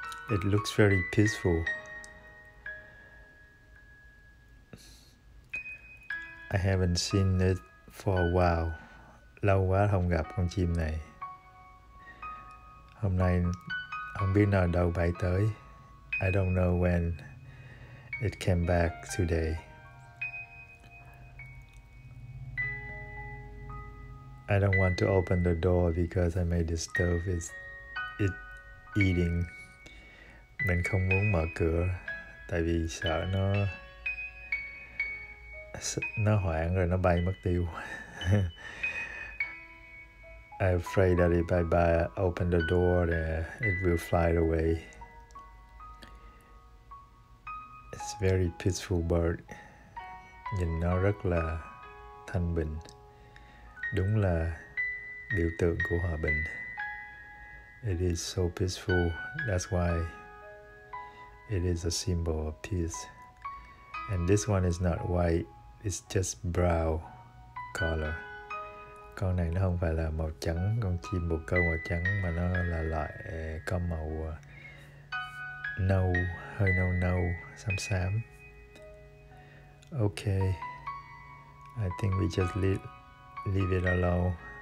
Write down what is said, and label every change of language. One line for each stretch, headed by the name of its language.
English: It looks very peaceful. I haven't seen it for a while.
Vietnamese: Lâu quá không gặp con chim này. Hôm nay không biết nó đâu bay tới.
English: I don't know when it came back today. I don't want to open the door because I may disturb it eating.
Vietnamese: Mình không muốn mở cửa tại vì sợ nó hoảng rồi nó bay mất tiêu.
English: I'm afraid that if I open the door, it will fly away. It's a very peaceful bird.
Vietnamese: Nhìn nó rất là thanh bình. Đúng là biểu tượng của hòa bình.
English: It is so peaceful. That's why it is a symbol of peace. And this one is not white. It's just brown color.
Vietnamese: Con này nó không phải là màu trắng, con chim bồ câu màu trắng, mà nó là loại có màu nâu, hơi nâu nâu, xám xám.
English: Okay, I think we just leave it alone.